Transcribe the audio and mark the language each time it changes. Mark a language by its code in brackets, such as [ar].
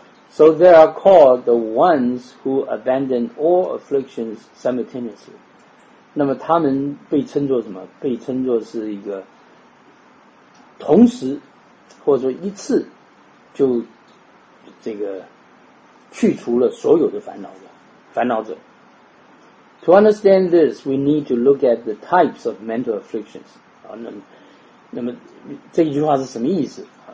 [en] So they are called the ones who abandon all afflictions simultaneously. [zh] 那么他们被称作什么？被称作是一个同时或者说一次就这个去除了所有的烦恼者。 [en] To understand this, we need to look at the types of mental afflictions. [zh] 那么这一句话是什么意思？